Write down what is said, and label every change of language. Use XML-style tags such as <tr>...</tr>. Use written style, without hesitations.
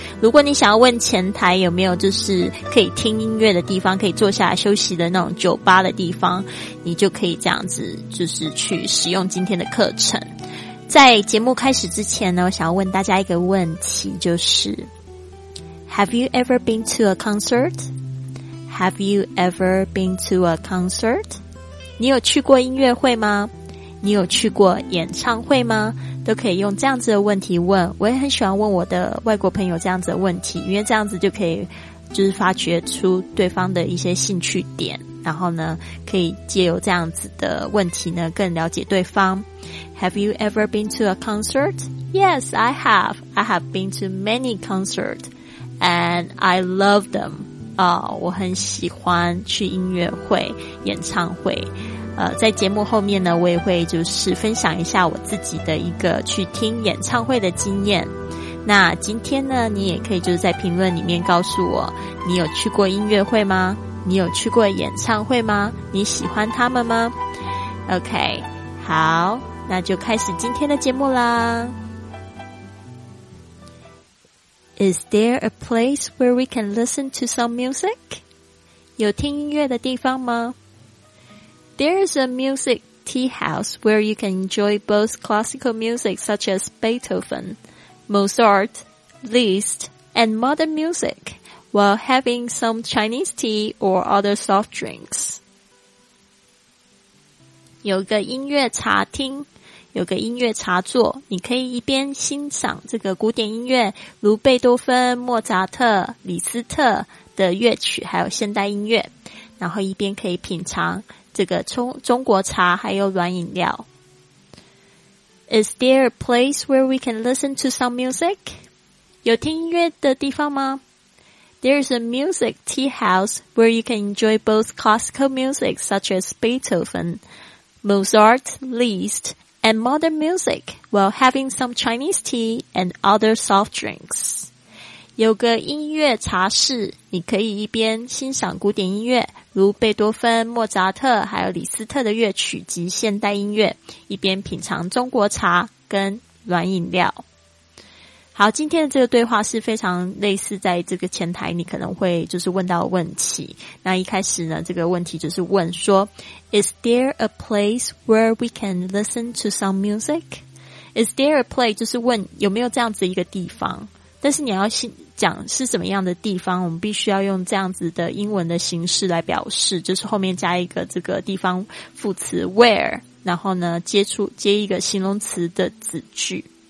<zh>如果你想要问前台有没有就是可以听音乐的地方，可以坐下来休息的那种酒吧的地方，你就可以这样子就是去使用今天的课程。在节目开始之前呢，我想要问大家一个问题，就是 Have you ever been to a concert?</zh> <en>Have you ever been to a concert?</en> <zh>你有去过音乐会吗？你有去过演唱会吗？都可以用这样子的问题问。我也很喜欢问我的外国朋友这样子的问题，因为这样子就可以就是发掘出对方的一些兴趣点，然后呢可以藉由这样子的问题呢更了解对方。</zh> <en>Have you ever been to a concert? Yes, I have. I have been to many concerts, and I love them.</en> <zh>我很喜欢去音乐会、演唱会。在节目后面呢，我也会就是分享一下我自己的一个去听演唱会的经验。那今天呢，你也可以就是在评论里面告诉我，你有去过音乐会吗？你有去过演唱会吗？你喜欢他们吗 ？OK， 好。那就开始今天的节目啦。</zh> <en>Is there a place where we can listen to some music?</en> <zh>有听音乐的地方吗？</zh> <en>There is a music tea house where you can enjoy both classical music such as Beethoven, Mozart, Liszt, and modern music while having some Chinese tea or other soft drinks.</en> <zh>有个音乐茶厅，有个音乐茶座，你可以一边欣赏这个古典音乐，如贝多芬、莫扎特、李斯特的乐曲，还有现代音乐，然后一边可以品尝这个中国茶，还有软饮料。</zh> <en>Is there a place where we can listen to some music?</en> <zh>有听音乐的地方吗？</zh> <en>There is a music tea house where you can enjoy both classical music such as Beethoven, Mozart, Liszt,and modern music while having some Chinese tea and other soft drinks.</en> <zh>有个音乐茶室，你可以一边欣赏古典音乐，如贝多芬、莫扎特还有李斯特的乐曲及现代音乐，一边品尝中国茶跟软饮料。好，今天的这个对话是非常类似在这个前台你可能会就是问到的问题。</zh> <en>那一开始呢，这个问题就是问说 Is there a place where we can listen to some music?</en> <zh>Is there a place 就是问有没有这样子一个地方，但是你要讲是什么样的地方，我们必须要用这样子的英文的形式来表示，就是后面加一个这个地方副词 where， 然后呢接一个形容词的子句。</zh>